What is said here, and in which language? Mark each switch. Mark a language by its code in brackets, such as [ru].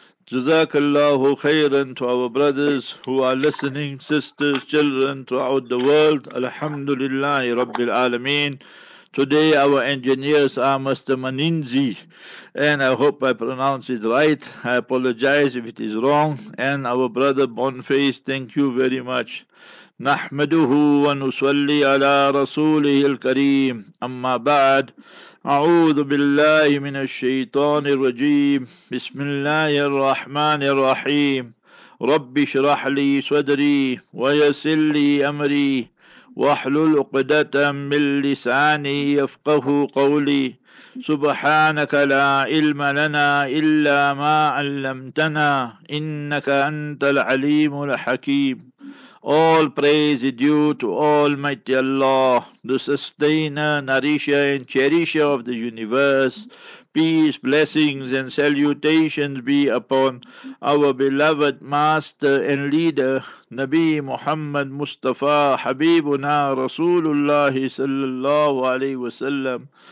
[en] Jazakallahu khairan to our brothers who are listening, sisters, children throughout the world. Alhamdulillahi rabbil alameen. Today our engineers are Mr. Maninzi, and I hope I pronounce it right. I apologize if it is wrong. And our brother Bonface, thank you very much. [ar] نحمده ونصلي على رسوله الكريم أما بعد أعوذ بالله من الشيطان الرجيم بسم الله الرحمن الرحيم رب اشرح لي صدري ويسر لي أمري واحلل عقدة من لساني يفقه قولي سبحانك لا علم لنا إلا ما علمتنا إنك أنت العليم الحكيم. [en] All praise is due to Almighty Allah, the sustainer, nourisher, and cherisher of the universe. Peace, blessings, and salutations be upon our beloved master and leader, Nabi Muhammad Mustafa, Habibuna Rasulullah sallallahu alayhi wa sallam.